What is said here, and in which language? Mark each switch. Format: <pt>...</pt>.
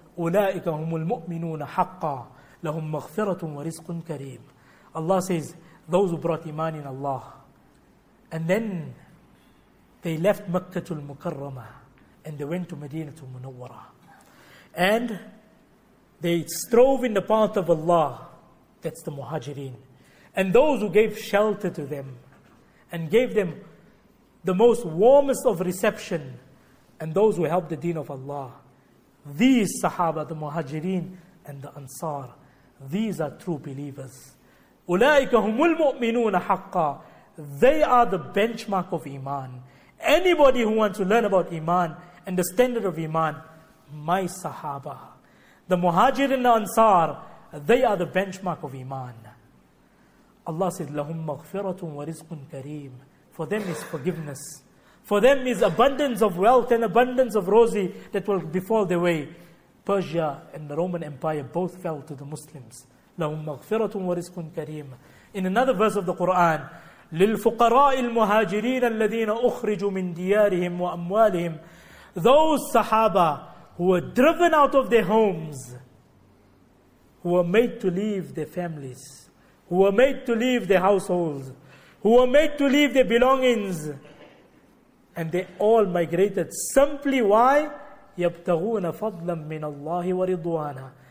<ar>أولئك هم المؤمنون حقا لهم مغفرة ورزق كريم.</ar> <en>Allah says, those who brought iman in Allah, and then they left Makkah al-Mukarramah, and they went to Madinah al-Munawwarah, and they strove in the path of Allah. That's the Muhajireen. And those who gave shelter to them and gave them the most warmest of reception, and those who helped the deen of Allah, these Sahaba, the Muhajireen and the Ansar, these are true believers.</en> <ar>أُولَٰئِكَ هُمُ الْمُؤْمِنُونَ حَقَّا.</ar> <en>They are the benchmark of iman. Anybody who wants to learn about iman and the standard of iman, my Sahaba, the Muhajir and the Ansar, they are the benchmark of iman. Allah said,</en> <ar>لَهُمْ مَغْفِرَةٌ وَرِزْقٌ كَرِيمٌ.</ar> <en>For them is forgiveness. For them is abundance of wealth and abundance of rosy that will befall their way. Persia and the Roman Empire both fell to the Muslims.</en> <ar>لَهُمْ مَغْفِرَةٌ وَرِزْقٌ كَرِيمٌ.</ar> <en>In another verse of the Quran,</en> <ar>لِلْفُقَرَاءِ الْمُهَاجِرِينَ الَّذِينَ أُخْرِجُوا مِنْ دِيَارِهِمْ وَأَمْوَالِهِمْ.</ar> <en>Those Sahaba who were driven out of their homes, who were made to leave their families, who were made to leave their households, who were made to leave their belongings, and they all migrated. Simply why?</en> <ar>يَبْتَغُونَ فَضْلًا مِنَ اللَّهِ وَرِضْوَانًا.</ar>